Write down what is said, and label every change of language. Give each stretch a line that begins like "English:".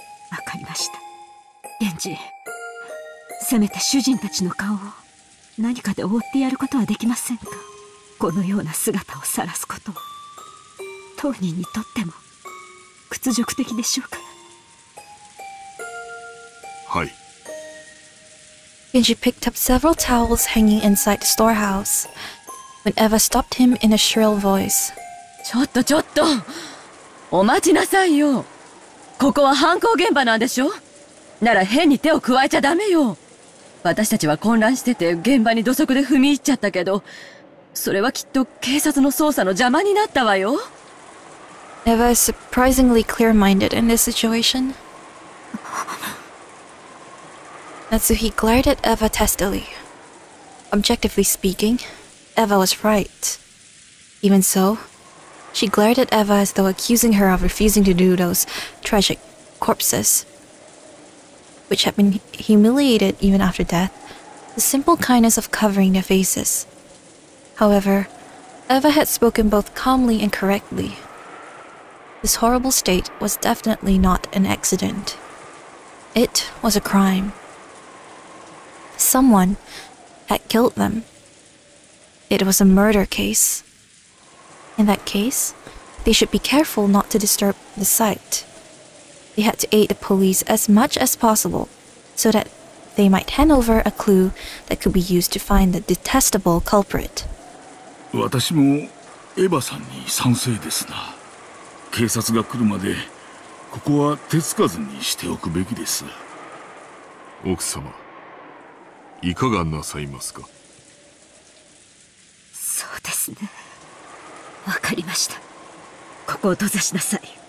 Japanese: あ、じ。せめて主人たちの顔を何かで覆ってやることはできませんか。このような姿を晒すことは当人にとっても屈辱的でしょうか。はい。
English: Genji picked up several towels hanging inside the storehouse when Eva stopped him in a shrill voice.
Japanese: ちょっとちょっと、お待ちなさいよ。ここは犯行現場なんでしょ。なら変に手を加えちゃダメよ。私たちは混乱してて現場に土足で踏み入っちゃったけど、それはきっと警察の捜査の邪魔になったわよ。
English: Eva is surprisingly clear-minded in this situation. Natsuhi glared at Eva testily. Objectively speaking, Eva was right. Even so, she glared at Eva as though accusing her of refusing to do those tragic corpses, which had been humiliated even after death, the simple kindness of covering their faces. However, Eva had spoken both calmly and correctly. This horrible state was definitely not an accident. It was a crime. Someone had killed them. It was a murder case. In that case, they should be careful not to disturb the site. They had to aid the police as much as possible so that they might hand over a clue that could be used to find the detestable culprit.
Japanese: 私もエヴァさんに賛成ですな。警察が来るまでここは手つかずにしておくべきです。奥様、いかがなさいますか。そうですね、わかりました。ここを閉ざしなさい。